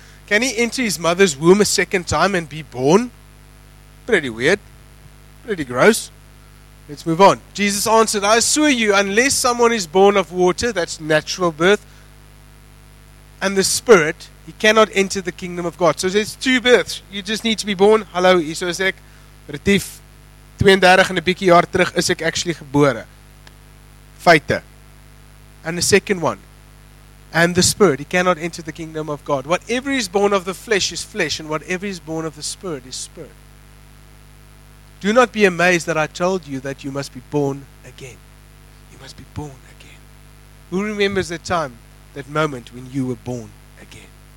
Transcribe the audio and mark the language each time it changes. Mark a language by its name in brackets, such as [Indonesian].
[English] Can he enter his mother's womb a second time and be born? Pretty weird. Pretty gross. Let's move on. Jesus answered, I assure you, unless someone is born of water, that's natural birth, and the Spirit, he cannot enter the kingdom of God. So there's two births. You just need to be born. [Afrikaans] Hallo, hier so is ek. Retief, 32 en 'n bietjie jaar terug is ek actually gebore. Feite. [English] And the second one. And the Spirit, he cannot enter the kingdom of God. Whatever is born of the flesh is flesh, and whatever is born of the Spirit is Spirit. Do not be amazed that I told you that you must be born again. You must be born again. Who remembers that time, that moment when you were born again?